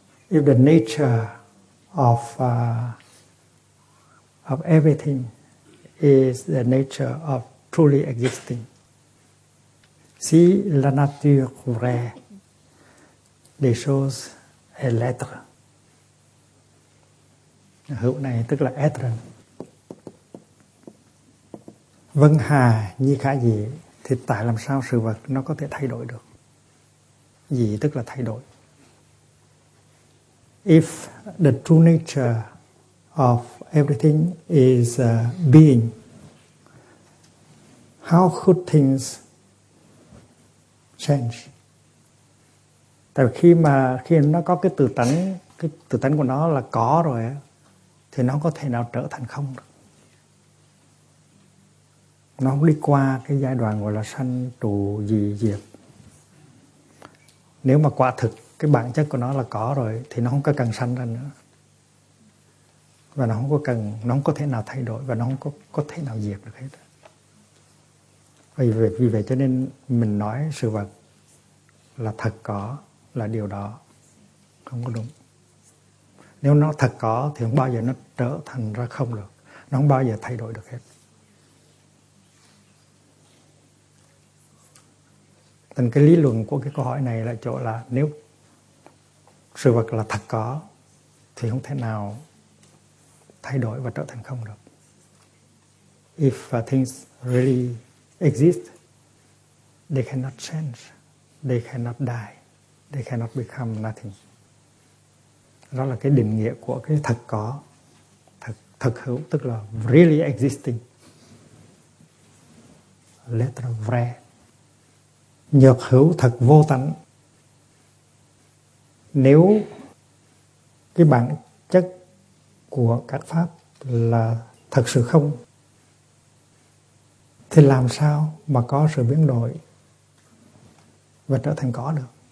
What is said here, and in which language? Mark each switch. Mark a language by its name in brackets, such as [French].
[English] if the nature of everything is the nature of truly existing, [French] si la nature vraie des choses est l'être, [Vietnamese] hữu này tức là être. Vân hà như khả dị, thì tại làm sao sự vật nó có thể thay đổi được? Dị tức là thay đổi. [English] If the true nature of everything is being, how could things change? [Vietnamese] Tại vì khi nó có cái tự tánh của nó là có rồi, thì nó có thể nào trở thành không được. Nó không đi qua cái giai đoạn gọi là sanh trụ dị diệt. Nếu mà quả thực cái bản chất của nó là có rồi thì nó không có cần sanh ra nữa, và nó không có thể nào thay đổi, và nó không có thể nào diệt được hết. Vì vậy cho nên mình nói sự vật là thật có là điều đó không có đúng. Nếu nó thật có thì không bao giờ nó trở thành ra không được, nó không bao giờ thay đổi được hết. Thành cái lý luận của cái câu hỏi này là chỗ là nếu sự vật là thật có thì không thể nào thay đổi và trở thành không được. [English] If things really exist, they cannot change, they cannot die, they cannot become nothing. [Vietnamese] Đó là cái định nghĩa của cái thật có, thật hữu, tức là [English] really existing. [French] L'être vrai, [Vietnamese] nhược hữu thật vô tánh. Nếu cái bản chất của các pháp là thật sự không, thì làm sao mà có sự biến đổi và trở thành có được?